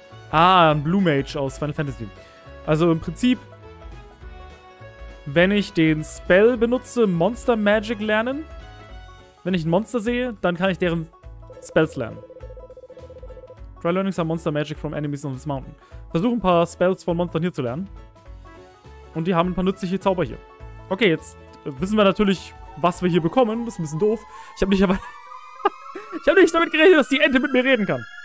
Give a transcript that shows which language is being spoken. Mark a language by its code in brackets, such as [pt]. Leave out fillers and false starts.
[de] Ah, ein Blue Mage aus Final Fantasy. Also im Prinzip, wenn ich den Spell benutze, Monster Magic lernen, wenn ich ein Monster sehe, dann kann ich deren Spells lernen. [en] Try learning some Monster Magic from enemies on this mountain. [de] Versuche ein paar Spells von Monstern hier zu lernen. Und die haben ein paar nützliche Zauber hier. Okay, jetzt wissen wir natürlich, was wir hier bekommen. Das ist ein bisschen doof. Ich habe nicht aber ich habe nicht damit gerechnet, dass die Ente mit mir reden kann.